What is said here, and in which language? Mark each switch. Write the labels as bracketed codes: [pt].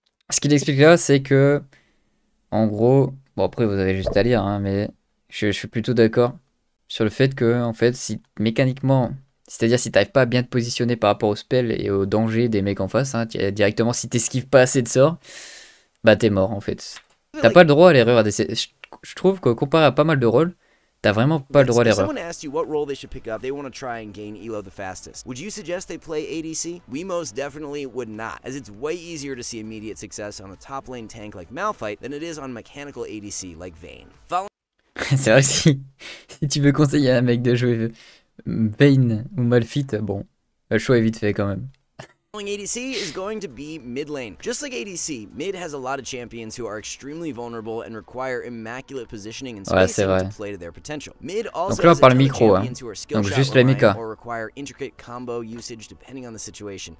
[fr] Ce qu'il explique là, c'est que, en gros, bon après vous avez juste à lire, hein, mais je suis plutôt d'accord sur le fait que, en fait, si mécaniquement, c'est-à-dire si t'arrives pas à bien te positionner par rapport au spell et au danger des mecs en face, hein, directement si t'esquives pas assez de sorts, bah t'es mort en fait. T'as pas le droit à l'erreur. Je trouve que comparé à pas mal de rôles, t'as vraiment pas le droit à l'erreur. Si quelqu'un vous demande quel rôle ils devraient prendre, ils veulent essayer de gagner ELO le plus vite. Vous suggérez qu'ils jouent ADC? Nous, [en] most definitely, would not, as it's way easier to see immediate success on a top lane tank like Malphite than it is on mechanical ADC like Vayne. [fr] C'est vrai que si tu veux conseiller à un mec de jouer Vayne ou Malphite, bon, le choix est vite fait quand même. [en] ADC is going to be mid lane. Just like ADC, mid has a lot of champions who are extremely vulnerable and require immaculate positioning and spacing to play to their potential. Mid also has a lot of champions who are skillshot or require intricate combo usage depending on the situation.